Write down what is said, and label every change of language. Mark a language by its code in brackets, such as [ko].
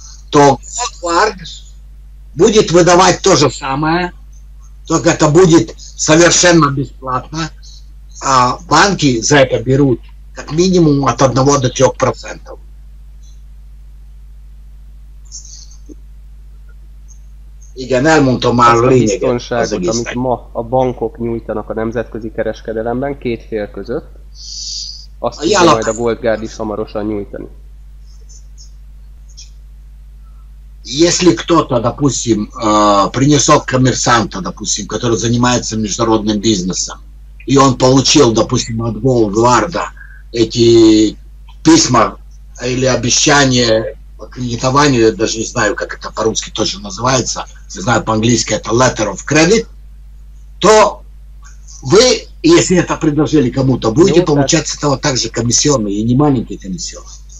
[ru] То Goldwarg будет выдавать то же самое, только это будет совершенно бесплатно, а банки за это берут как минимум от 1 до 3%. [hu] Igen, elmondtam már a lényeget. A biztonságot, amit ma a bankok nyújtanak a nemzetközi kereskedelemben két fél között, azt tudja majd a Gold Guard is hamarosan nyújtani. [ru] Если кто-то, допустим, принесет коммерсанта, допустим, который занимается международным бизнесом, и он получил, допустим, от Голдварда эти письма или обещания по кредитованию, я даже не знаю, как это по-русски тоже называется, я знаю по-английски это [en] letter of credit, [ru] то вы, если это предложили кому-то, будете получать с этого также комиссионные, и не маленькие комиссионные.